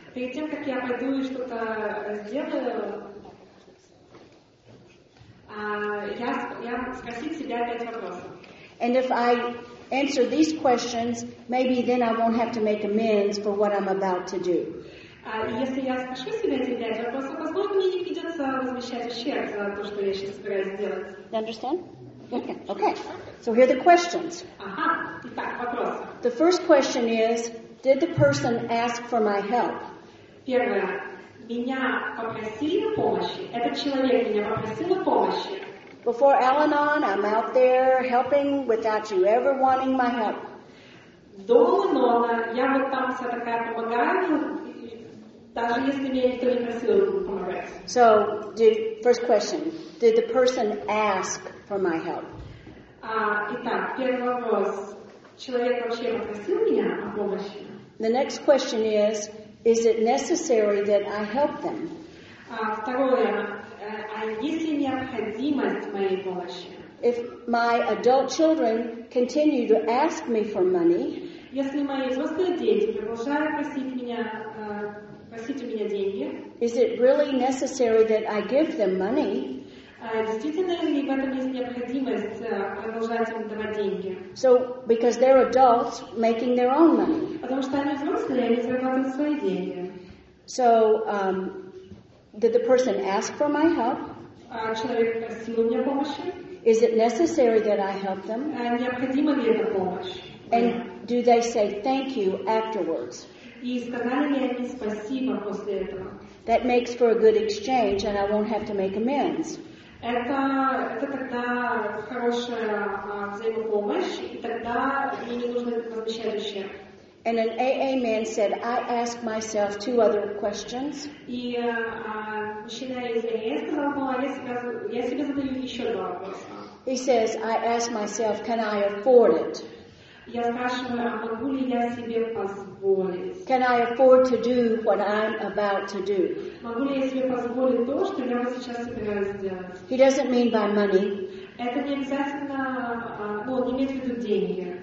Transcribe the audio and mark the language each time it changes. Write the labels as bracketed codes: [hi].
[en] And if I answer these questions, maybe then I won't have to make amends for what I'm about to do. [ru] Если я спрошу себя эти пять вопросов, возможно, мне не придется возмещать ущерб за то, что я сейчас собираюсь сделать. [en] You understand? Okay. So here are the questions. [ru] Ага. Итак, вопросы. [en] The first question is, did the person ask for my help? [ru] Первое. Меня попросили на помощь. Этот человек меня попросил на помощь. [en] Before Al-Anon, I'm out there helping without you ever wanting my help. [ru] До Al-Anon я вот там вся такая помогаю. Даже если меня никто не просил помогать. [en] So, first question. Did the person ask for my help? [ru] Итак, первый вопрос. Человек вообще попросил меня о помощи? [en] The next question is it necessary that I help them? [ru] Второе. Есть ли необходимость моей помощи? [en] If my adult children continue to ask me for money, [ru] если мои взрослые дети продолжают просить меня просить у меня деньги? [en] Is it really necessary that I give them money? [ru] Действительно ли в этом есть необходимость продолжать им давать деньги? [en] So, because they're adults making their own money. [ru] Потому что они взрослые, они зарабатывают свои деньги. [en] So, did the person ask for my help? [ru] Человек просил у меня помощи? [en] Is it necessary that I help them? [ru] Необходима ли эта помощь? [en] And do they say thank you afterwards? [ru] И сказали ли они спасибо после этого? [en] That makes for a good exchange, and I won't have to make amends. [ru] Это тогда хорошая взаимопомощь, и тогда мне не нужно возмещать ущерб. [en] And an AA man said, I ask myself two other questions. [ru] И мужчина из AA сказал, ну, я себе задаю еще два вопроса. [en] He says, I ask myself, can I afford it? [ru] Я спрашиваю, а могу ли я себе позволить? [en] Can I afford to do what I'm about to do? [ru] Могу ли я себе позволить то, что я вот сейчас собираюсь сделать? [en] He doesn't mean by money. [ru] Это не обязательно, ну, он имеет в виду деньги.